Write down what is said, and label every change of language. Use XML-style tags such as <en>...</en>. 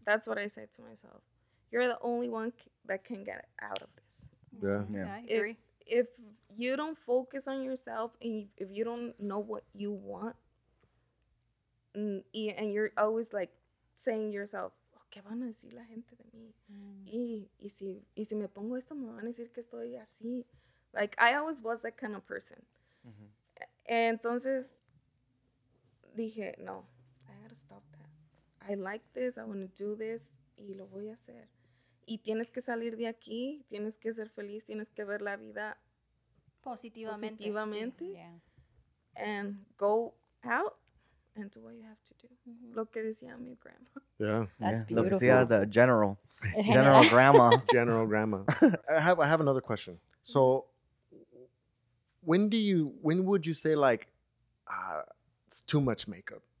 <en>That's what I said to myself. You're the only one that can get out of this. Yeah. Yeah. If you don't focus on yourself, and if you don't know what you want, and you're always like saying to yourself,</en> <es>¿qué van a decir la gente de mí? Y si me pongo esto, me van a decir que estoy así.</es> <en>Like, I always was that kind of person. Mm-hmm.</en> <es>Entonces, dije, no,</es> <en>I gotta stop that. I like this, I wanna do this,</en> <es>y lo voy a hacer. Y tienes que salir de aquí, tienes que ser feliz, tienes que ver la vida positivamente. Sí. Yeah.</es> <en>And go out and do what you have to do.</en> <es>Mm-hmm. Lo que decía mi grandma.</es> <en>Yeah. That's yeah. beautiful.</en> <es>Lo que decía</es> <en>the general. General grandma. General grandma. I have another question. So, when would you say like it's too much makeup?</en>